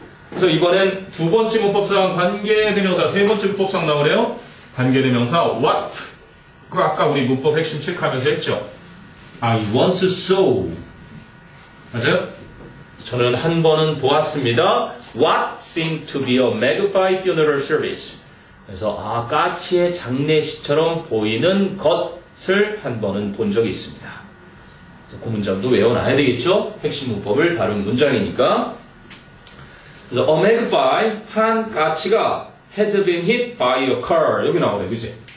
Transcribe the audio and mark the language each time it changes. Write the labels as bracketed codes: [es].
[ko] 그래서 이번엔 두 번째 문법상 관계대명사, 세 번째 문법상 나오네요. 관계대명사 what? 그 아까 우리 문법 핵심 체크하면서 했죠. [en] I once saw. [ko] 맞아요? 저는 한 번은 보았습니다. [en] What seemed to be a magnified funeral service. [ko] 그래서 아, 까치의 장례식처럼 보이는 것을 한 번은 본 적이 있습니다. 그래서 그 문장도 외워놔야 되겠죠? 핵심 문법을 다룬 문장이니까. [en] 그래서 a magpie, [ko] 한 까치가 [en] had been hit by a car. [ko] 여기 나오네, 그치?